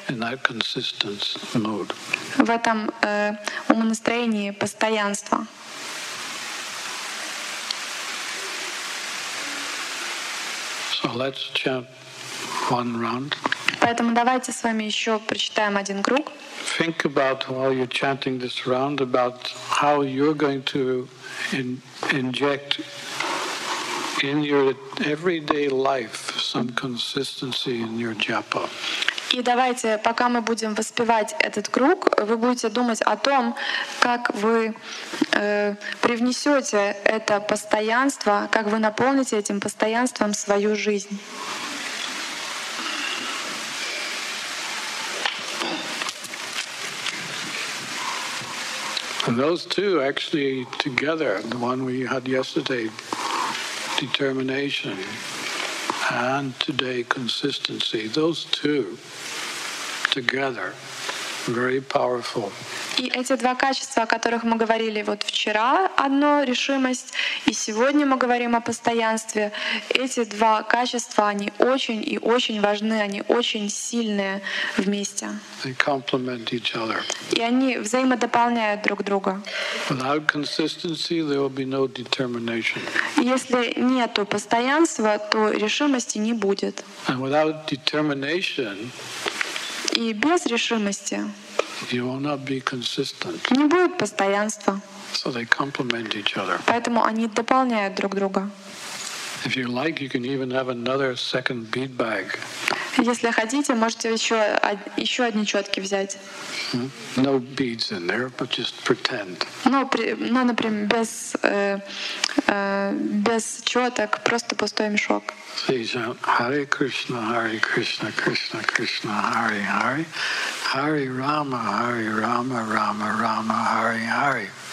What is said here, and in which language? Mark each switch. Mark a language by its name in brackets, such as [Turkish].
[English] in that consistent mode? [Russian] В этом умонастроении постоянства? [English] So let's chant one round. [Russian] Поэтому давайте с вами еще прочитаем один круг. [English] Think about while you're chanting this round about how you're going to inject in your everyday life some consistency in your japa. [Russian] И давайте, пока мы будем воспевать этот круг, вы будете думать о том, как вы привнесете это постоянство, как вы наполните этим постоянством свою жизнь. [English] And those two actually together, the one we had yesterday, determination, and today consistency, those two together, very powerful. [Russian] И эти два качества, о которых мы говорили вот вчера, одно — решимость, и сегодня мы говорим о постоянстве. Эти два качества, они очень и очень важны, они очень сильные вместе. [English] They complement each other. [Russian] И они взаимодополняют друг друга. [English] Without consistency, there will be no determination. [Russian] Если нет постоянства, то решимости не будет. [English] And without determination, [Russian] и без решимости [English] you will not be consistent. [Russian] Не будет постоянства. [English] So they complement each other. [Russian] Поэтому они дополняют друг друга. [English] If you like, you can even have another second bead bag. [Russian] Если хотите, можете еще одни четки взять. [English] No beads in there, but just pretend. [Russian] Ну, например, без четок, просто пустой мешок. [Sanskrit] Hare Krishna, Hare Krishna, Krishna Krishna, Hare Hare, Hare Rama, Rama Rama, Hare Hare.